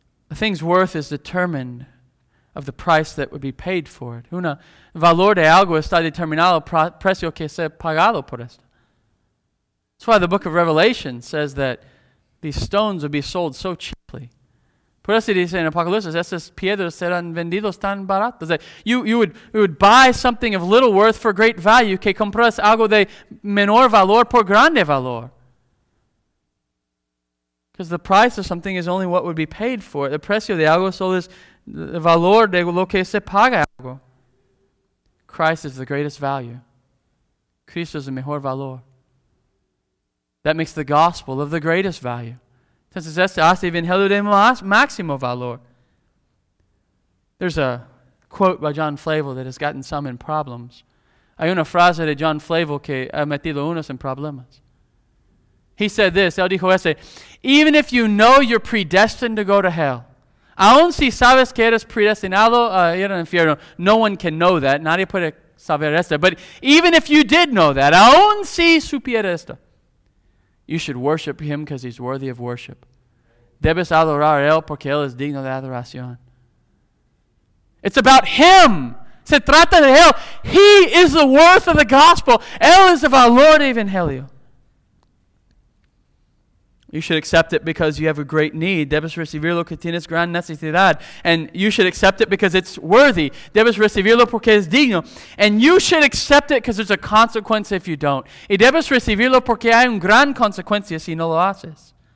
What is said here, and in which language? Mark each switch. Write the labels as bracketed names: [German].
[English] A thing's worth is determined of the price that would be paid for it. [Spanish] Un valor de algo está determinado precio que sea pagado por esto. [English] That's why the book of Revelation says that these stones would be sold so cheaply. [Spanish] Por eso dice en Apocalipsis, esas piedras serán vendidos tan baratos. [English] You would buy something of little worth for great value, [Spanish] que compras algo de menor valor por grande valor. [English] Because the price of something is only what would be paid for it. [Spanish] The precio de algo solo es el valor de lo que se paga algo. [English] Christ is the greatest value. [Spanish] Cristo es el mejor valor. [English] That makes the gospel of the greatest value. [Spanish] Entonces esto hace Evangelio de máximo valor. [English] There's a quote by John Flavel that has gotten some in problems. [Spanish] Hay una frase de John Flavel que ha metido unos en problemas. [English] He said this, [Spanish] él dijo ese, [English] even if you know you're predestined to go to hell, [Spanish] aun si sabes que eres predestinado a ir al infierno, [English] no one can know that, [Spanish] nadie puede saber esto, [English] but even if you did know that, [Spanish] aun si supiera esto, [English] you should worship him because he's worthy of worship. [Spanish] Debes adorar él porque él es digno de adoración. [English] It's about him. [Spanish] Se trata de él. [English] He is the worth of the gospel. [Spanish] Él es el valor de Evangelio. [English] You should accept it because you have a great need. [Spanish] Debes recibirlo porque tienes gran necesidad. [English] And you should accept it because it's worthy. [Spanish] Debes recibirlo porque es digno. [English] And you should accept it because there's a consequence if you don't. [Spanish] Y debes recibirlo porque hay un gran consecuencia si no lo haces.